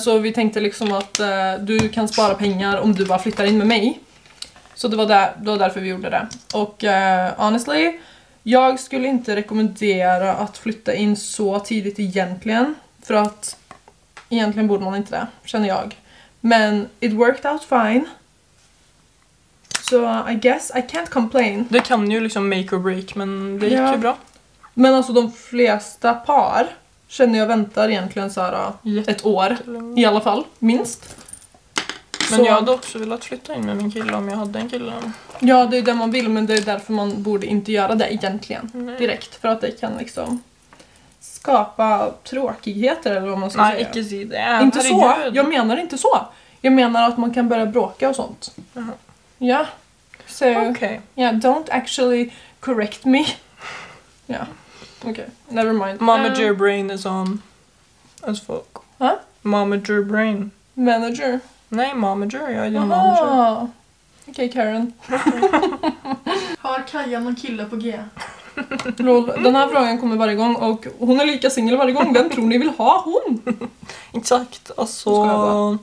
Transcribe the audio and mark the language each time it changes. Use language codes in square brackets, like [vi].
[sv] Så vi tänkte liksom att du kan spara pengar om du bara flyttar in med mig. Så det var därför vi gjorde det. Och honestly, jag skulle inte rekommendera att flytta in så tidigt egentligen. För att egentligen borde man inte det, känner jag. [en] Men it worked out fine. So I guess I can't complain. [sv] Det kan ju liksom [en] make or break, [sv] men det gick ju bra. Men alltså de flesta par känner jag väntar egentligen så här ett år i alla fall, minst. Men så. Jag hade också velat flytta in med min kille om jag hade en kille. Ja, det är det man vill, men det är därför man borde inte göra det egentligen. Nej. Direkt, för att det kan liksom skapa tråkigheter eller vad man ska Nej, säga. Nej, icke si det. Inte så, jag menar inte så. Jag menar att man kan börja bråka och sånt. Jaha. Ja, så okay. [en] Yeah, don't actually correct me. Ja, okay, never mind. Momager brain is on as fuck. Hä? Momager brain. Manager? [sv] Nej, momager, jag är din momager. Okej, okay, Karen. Har Kaja någon kille på G? Lol, den här frågan kommer varje gång och hon är lika singel varje gång. Vem tror ni vill ha hon? Exakt, alltså.